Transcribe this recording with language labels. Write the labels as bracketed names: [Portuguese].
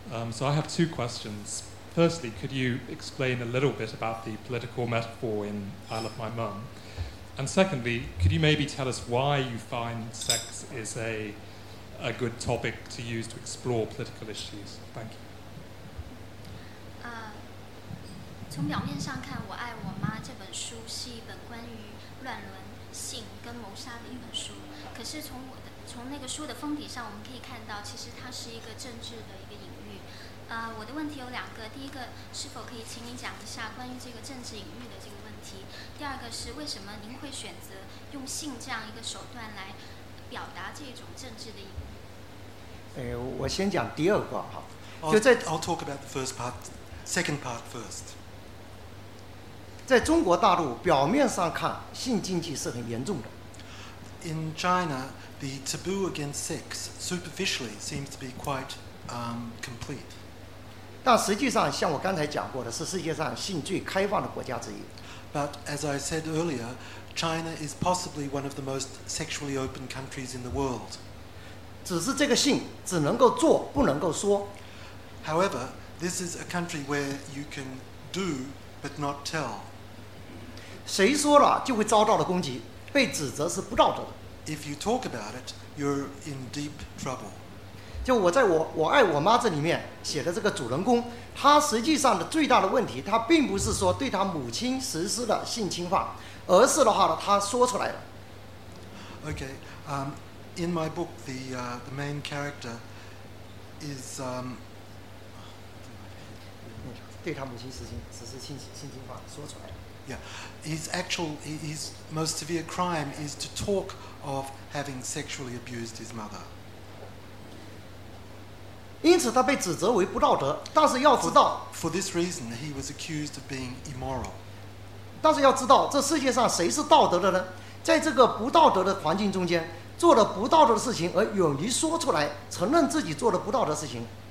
[English] So I have two questions. Firstly, could you explain a little bit about the political metaphor in I Love My Mum? And secondly, could you maybe tell us why you find sex is a good topic to use to explore political issues? Thank you. [Chinese] 从表面上看，《我爱我妈》这本书是一本关于乱伦、性跟谋杀的一本书。可是从那个书的封底上，我们可以看到，其实它是一个政治的一个隐喻。我的问题有两个，第一个是否可以请你讲一下关于这个政治隐喻的这个问题？第二个是为什么您会选择用性这样一个手段来表达这种政治的隐喻？我先讲第二个哈。 [English] I'll talk about the first part, second part first. [Chinese] 在中国大陆，表面上看，性禁忌是很严重的。 [English] In China, the taboo against sex superficially seems to be quite complete. [Chinese] 但实际上，像我刚才讲过的，是世界上性最开放的国家之一。 [English] But as I said earlier, China is possibly one of the most sexually open countries in the world. [Chinese] 只是这个性只能够做，不能够说。 [English] However, this is a country where you can do but not tell. [Chinese] 谁说了就会遭到了攻击。被指责是不道德的。 [English] If you talk about it, you're in deep trouble. [Chinese] 就我在 我爱我妈这里面写的这个主人公，他实际上的最大的问题，他并不是说对他母亲实施了性侵犯，而是的话呢，他说出来了。 [English] Okay, in my book, the main character is [Chinese] 对他母亲实施性侵犯，说出来了。 [English] Yeah, his most severe crime is to talk of having sexually abused his mother. [Chinese] 因此他被指责为不道德，但是要知道 [English] for this reason, he was accused of being immoral. [Chinese] 但是要知道，这世界上谁是道德的呢？在这个不道德的环境中间，做了不道德的事情而勇于说出来，承认自己做了不道德的事情。